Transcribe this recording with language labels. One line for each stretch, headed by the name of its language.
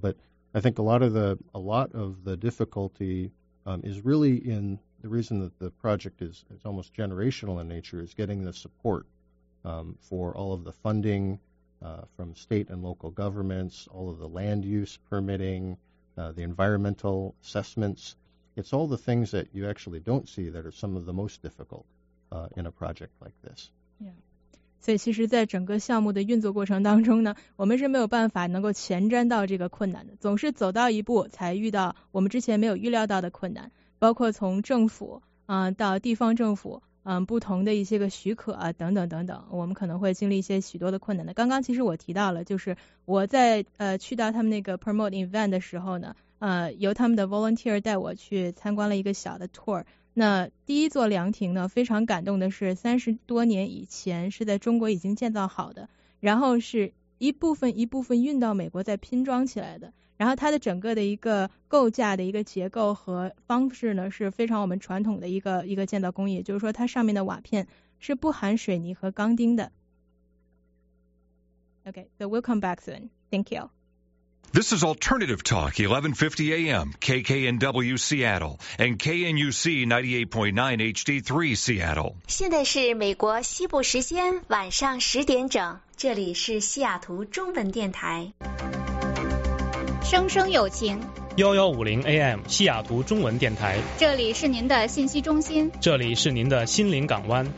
English: But I think a lot of the difficulty is really in the reason that the project is it's almost generational in nature is getting the support for all of the funding from state and local governments, all of the land use permitting, the environmental assessments. It's all the things that you actually don't see that are some of the most difficult in a project like this. Yeah.
Chinese: 所以其实在整个项目的运作过程当中呢，我们是没有办法能够前瞻到这个困难的，总是走到一步才遇到我们之前没有预料到的困难，包括从政府到地方政府不同的一些个许可啊等等等等，我们可能会经历一些许多的困难的。刚刚其实我提到了，就是我在去到他们那个
English: promote event
Chinese: 的时候呢，由他们的 volunteer 带我去参观了一个小的 tour。那第一座凉亭呢，非常感动的是30多年以前是在中国已经建造好的，然后是一部分一部分运到美国再拼装起来的，然后它的整个的一个构架的一个结构和方式呢，是非常我们传统的一个建造工艺，就是说它上面的瓦片是不含水泥和钢钉的。
English: OK, so welcome back soon. Thank you. This is Alternative Talk, 1150 AM, KKNW Seattle, and KNUC 98.9 HD3 Seattle.
Chinese: 现在是美国西部时间晚上10点整，这里是西雅图中文电台。声声有情， 1150 AM 西雅图中文电台，这里是您的信息中心，这里是您的心灵港湾，